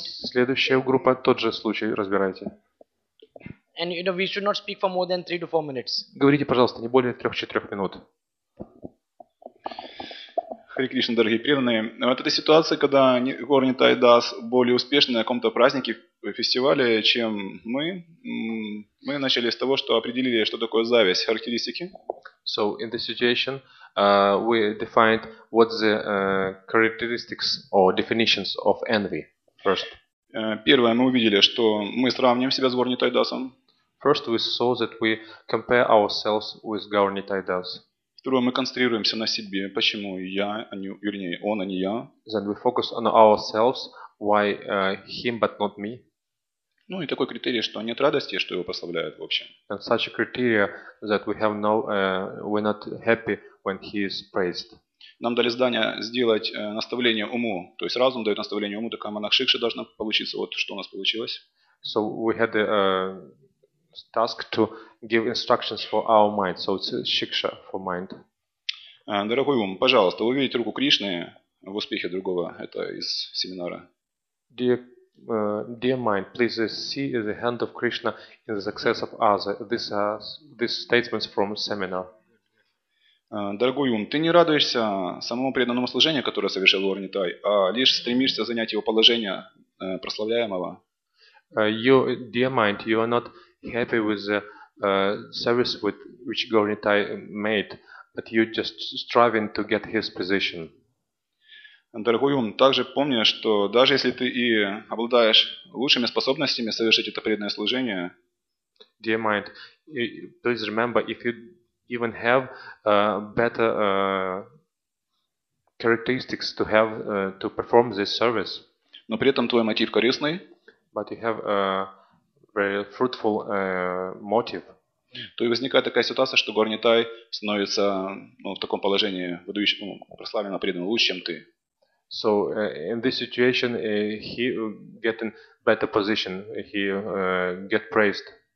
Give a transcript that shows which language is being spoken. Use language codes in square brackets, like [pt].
[ru] Следующая группа, тот же случай, разбирайте. [en] And you know, we should not speak for more than 3-4 minutes. [ru] Говорите, пожалуйста, не более 3-4 минут. Хари Кришна, дорогие преданные. Вот эта ситуация, когда Горни Тай Дас более успешны на каком-то празднике, фестивале, чем мы. Мы начали с того, что определили, что такое зависть. Характеристики. [en] So, in this situation, we defined what the characteristics or definitions of envy. First. [ru] Первое, мы увидели, что мы сравним себя с Горни Тай Дасом. [en] First, we saw that we compare ourselves with Горни Тай Дас. [ru] Второе, мы концентрируемся на себе, почему я, а не, вернее, он, а не я. [en] Then we focus on ourselves, why him, but not me. [ru] Ну и такой критерий, что нет радости, что его прославляют в общем. [en] And such a criteria that we have no, we're not happy when he is praised. [ru] Нам дали задание сделать наставление уму, то есть разум дает наставление уму, такая манакшикша должна получиться, вот что у нас получилось. [en] So we had a task to give instructions for our mind, so it's a shiksha for mind. [ru] Дорогой ум, пожалуйста, увидеть руку Кришны в успехе другого, это из семинара. [en] Dear mind, please see the hand of Krishna in the success of others. This statements from seminar. [ru] Дорогой ум, ты не радуешься самому преданному служению, которое совершил Горни Тай, а лишь стремишься занять его положение прославляемого. [en] Dear mind, you are not happy with the service with which Горни Тай made, but you just striving to get his position. [ru] Дорогой ум, также помни, что даже если ты и обладаешь лучшими способностями совершить это преданное служение, [en] dear mind, please remember, if you even have better characteristics to have to perform this service, [ru] но при этом твой мотив корыстный, [en] but you have very fruitful motive. [ru] То и возникает такая ситуация, что Горни Тай становится в таком положении прославленно предан лучше, чем ты. [en] So in this situation he get in better position, he get praised.